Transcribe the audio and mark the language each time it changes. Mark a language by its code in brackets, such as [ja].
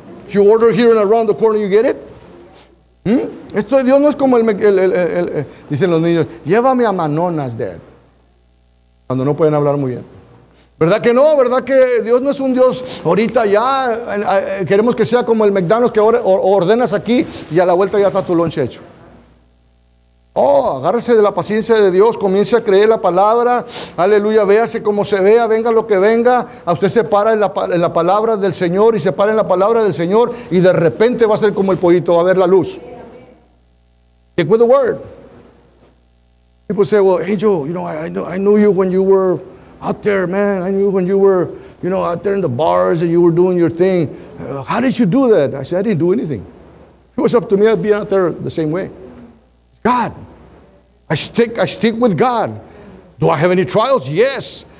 [en] You order here and around the corner, you get it. ¿Mm? [es] Esto Dios no es como el dicen los niños, llévame a Manonas, Dad. Cuando no pueden hablar muy bien. ¿Verdad que no? ¿Verdad que Dios no es un Dios ahorita ya? Queremos que sea como el McDonald's que ordenas aquí y a la vuelta ya está tu lunch hecho. Oh, agárrese de la paciencia de Dios, comience a creer la palabra, aleluya, véase como se vea, venga lo que venga, a usted se para en la palabra del Señor y se para en la palabra del Señor y de repente va a ser como el pollito, va a ver la luz. [en] Stick with the word. People say, well, Angel, you know, I knew you when you were out there, man, I knew when you were, you know, out there in the bars and you were doing your thing. How did you do that? I said, I didn't do anything. It was up to me, I'd be out there the same way. God, I stick with God. Do I have any trials? Yes.